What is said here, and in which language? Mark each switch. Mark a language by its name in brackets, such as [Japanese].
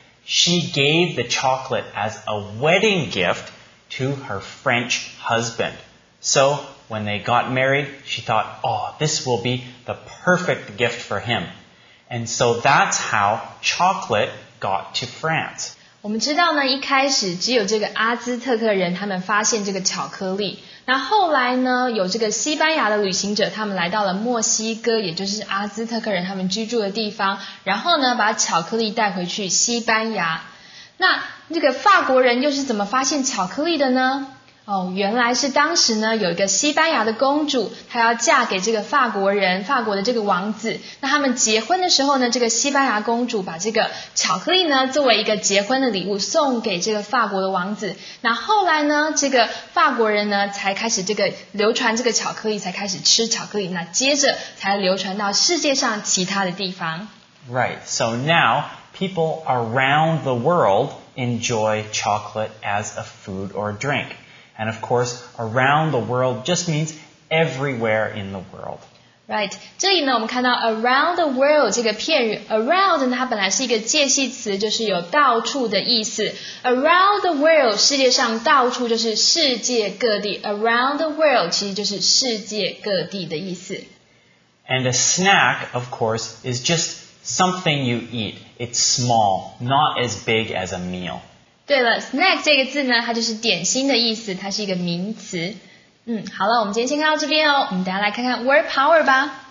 [English] She gave the chocolate as a wedding gift to her French husband. So when they got married, she thought, oh, this will be the perfect gift for him. And so that's how chocolate got to France. [Chinese] 我们知道呢，一开始只有这个阿兹特克人他们发现这个巧克力。那后来呢，有这个西班牙的旅行者他们来到了墨西哥，也就是阿兹特克人他们居住的地方。然后呢，把巧克力带回去西班牙。那这个法国人又是怎么发现巧克力的呢？哦，原来是当时呢有一个西班牙的公主，她要嫁给这个法国人，法国的这个王子。那他们结婚的时候呢，这个西班牙公主把这个巧克力呢作为一个结婚的礼物送给这个法国的王子。那后来呢，这个法国人呢才开始这个流传这个巧克力，才开始吃巧克力。那接着才流传到世界上其他的地方。 [English] Right, so now people around the world enjoy chocolate as a food or drink. And of course, around the world just means everywhere in the world. Right. [Chinese] 这里呢我们看到 [English] around the world [Chinese] 这个片语 around 呢它本来是一个介系词就是有到处的意思。 [English] Around the world, [Chinese] 世界上到处就是世界各地。 [English] Around the world [Chinese] 其实就是世界各地的意思。 [English] And a snack, of course, is just something you eat. It's small, not as big as a meal. [Chinese] 对了 ,snack 这个字呢它就是点心的意思它是一个名词。好了我们今天先看到这边哦我们大家来看看 [English] word power [Chinese] 吧。